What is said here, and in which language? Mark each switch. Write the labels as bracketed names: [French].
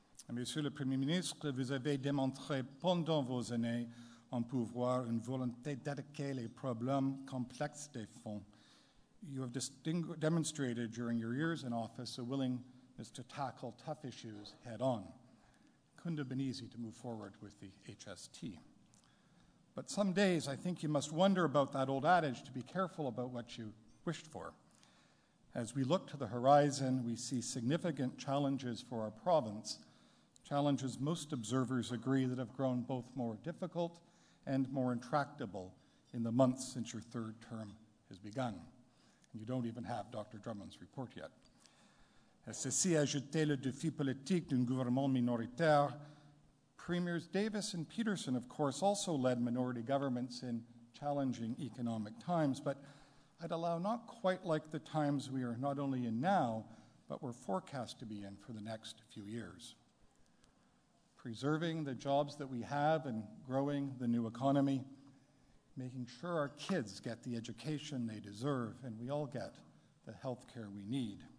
[French] Monsieur le Premier ministre, vous avez démontré pendant vos années en pouvoir une volonté d'attaquer les problèmes complexes des fonds. [English] You have demonstrated during your years in office a willingness to tackle tough issues head on. Couldn't have been easy to move forward with the HST. But some days, I think you must wonder about that old adage to be careful about what you wished for. As we look to the horizon, we see significant challenges for our province, challenges most observers agree that have grown both more difficult and more intractable in the months since your third term has begun. And you don't even have Dr. Drummond's report yet. [French] Et ceci ajoutait le défi politique d'un gouvernement minoritaire. [English] Premiers Davis and Peterson, of course, also led minority governments in challenging economic times, but I'd allow not quite like the times we are not only in now, but we're forecast to be in for the next few years. Preserving the jobs that we have and growing the new economy, making sure our kids get the education they deserve and we all get the health care we need.